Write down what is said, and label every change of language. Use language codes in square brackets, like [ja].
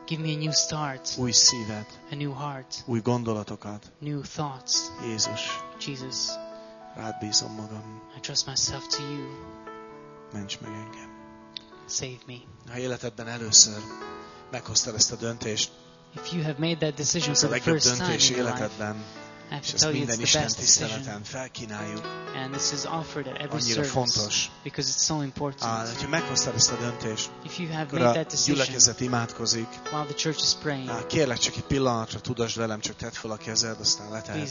[en] Give me a new start. [hu] Új szívet. [en] A new heart. [hu] Új gondolatokat. [en] New thoughts. [hu] Jézus. [en] Jesus. [hu] Rád bízom magam. [en] I trust myself to you. [hu] Ments meg engem. [en] Save me. [hu] Ha életedben először meghoztad ezt a döntést. [en] If you have made that decision for the first time in your life. [hu] És ezt minden Isten tiszteleten felkínáljuk. [en] And this is offered at every [hu] annyira [en] service, [hu] fontos. [en] Because it's so important. [hu] Hogyha meghoztad ezt a döntést, [en] if you have made that decision, [hu] gyülekezet imádkozik. [en] While the church is praying. [hu] Kérlek csak egy pillanatra, tudasd velem, csak tedd fel a kezed, aztán leteheted.